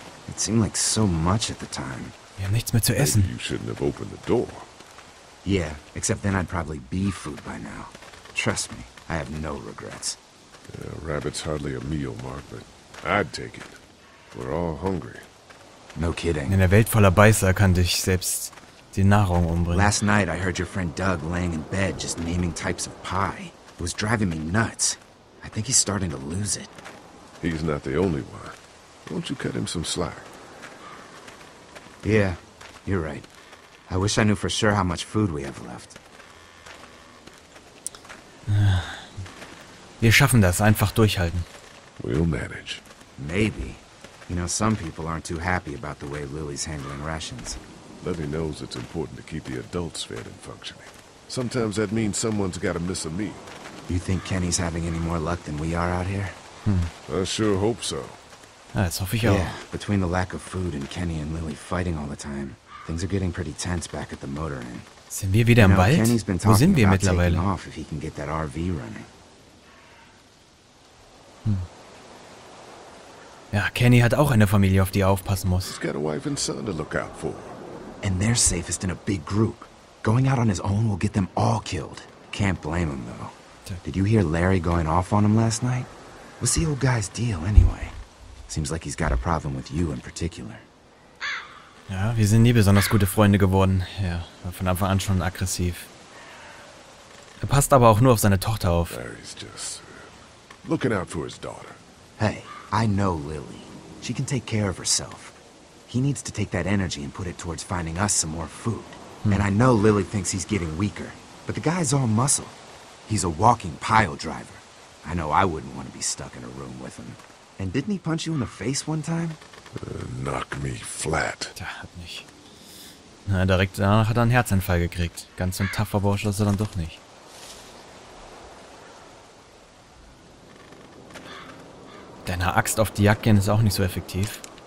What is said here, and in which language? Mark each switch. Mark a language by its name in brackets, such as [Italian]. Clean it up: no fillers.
[English] It seemed like so much at the time. [German] Wir haben nichts mehr zu essen. [English] Maybe you shouldn't have opened the door. Yeah, except then I'd probably be food by now. Trust me, I have no regrets. Rabbit's hardly a meal, Mark, but I'd take it. We're all hungry. No kidding. [German] In der Welt voller Beißer kann dich selbst die Nahrung umbringen. [English] Last night I heard your friend Doug laying in bed just naming types of pie. It was driving me nuts. I think he's starting to lose it. He's not the only one. Won't you cut him some slack? Yeah, you're right. I wish I knew for sure how much food we have left. [German] Wir schaffen das. Einfach durchhalten. [English] We'll manage. Maybe. You know, some people aren't too happy about the way Lily's handling rations. Levy knows it's important to keep the adults fed and functioning. Sometimes that means someone's gotta miss a meal. You think Kenny's having any more luck than we are out here? I sure hope so. [German] Das hoffe ich auch. [English] Yeah, between the lack of food and Kenny and Lily fighting all the time, things are getting pretty tense back at the motor inn. [German] Sind wir wieder im Wald? [English] You know, Kenny's been talking about taking off if he can get that RV running. [German] Ja, Kenny hat auch eine Familie, auf die er aufpassen muss. [English] He's got a wife and son to look out for. And they're safest in a big group. Going out on his own will get them all killed. Can't blame him, though. Did you hear Larry going off on him last night? What's the old guy's deal, anyway? Seems like he's got a problem with you in particular. [German] Ja, wir sind nie besonders gute Freunde geworden. Ja, war von Anfang an schon aggressiv. Er passt aber auch nur auf seine Tochter auf. [English] Larry's just looking out for his daughter. Hey. I know Lily. She can take care of herself. He needs to take that energy and put it towards finding us some more food. And I know Lily thinks he's getting weaker, but the guy's all muscle. He's a walking pile driver. I know I wouldn't want to be stuck in a room with him. And didn't he punch you in the face one time? Knock me flat. [German] Der hat nicht. Na, direkt danach hat er einen Herzanfall gekriegt. Ganz so ein taffer Bursch ist er dann doch nicht. Deine Axt auf die Jagd gehen ist auch nicht so effektiv.